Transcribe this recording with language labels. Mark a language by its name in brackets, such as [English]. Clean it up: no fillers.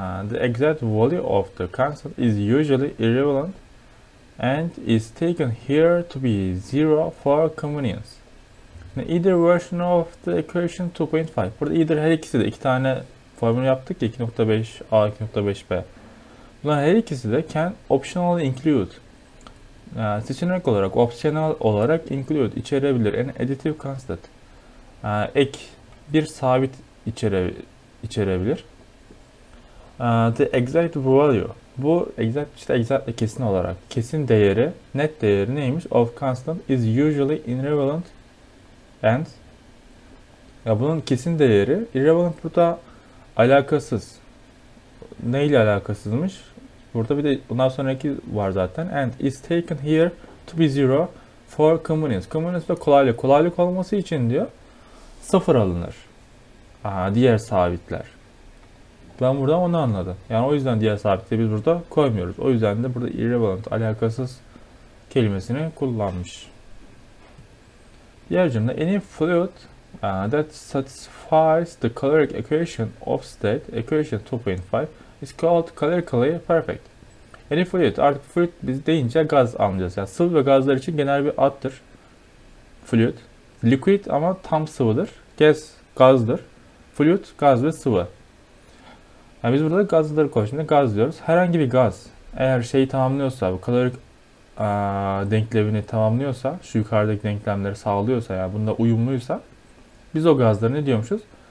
[English] The exact value of the constant is usually irrelevant and is taken here to be zero for convenience. Either version of the equation 2.5. [Turkish] Burada either her ikisi de iki tane formül yaptık ya 2.5 A 2.5 B. Bunlar her ikisi de [English] can optionally include. [Turkish] Seçenek olarak, optional olarak include içerebilir. [English] An additive constant. [Turkish] Ek bir sabit içerebilir. [English] The exact value. [Turkish] Bu exact işte exact kesin olarak kesin değeri net değeri neymiş? [English] Of constant is usually irrelevant and [Turkish] ya bunun kesin değeri irrelevant burada alakasız. Ne ile alakasızmış? Burada bir de bundan sonraki var zaten. [English] And is taken here to be zero for convenience. [Turkish] Convenience de kolaylık. Kolaylık olması için diyor. Sıfır alınır. Aha, diğer sabitler. Ben burada onu anladım. Yani o yüzden diğer sabitleri biz burada koymuyoruz. O yüzden de burada irrelevant, alakasız kelimesini kullanmış. Diğer cümle. [English] Any fluid that satisfies the caloric equation of state, equation 2.5, is called calorically perfect. [Turkish] Any fluid. Artık fluid biz deyince gaz anlayacağız. Yani sıvı ve gazlar için genel bir addır. Fluid. Liquid ama tam sıvıdır. Gaz, gazdır. Fluid, gaz ve sıvı. Yani biz burada gazları koy. Şimdi gaz diyoruz. Herhangi bir gaz eğer şeyi tamamlıyorsa, bu kalorik denklemini tamamlıyorsa, şu yukarıdaki denklemleri sağlıyorsa, yani bunda uyumluysa, biz o gazları ne diyormuşuz?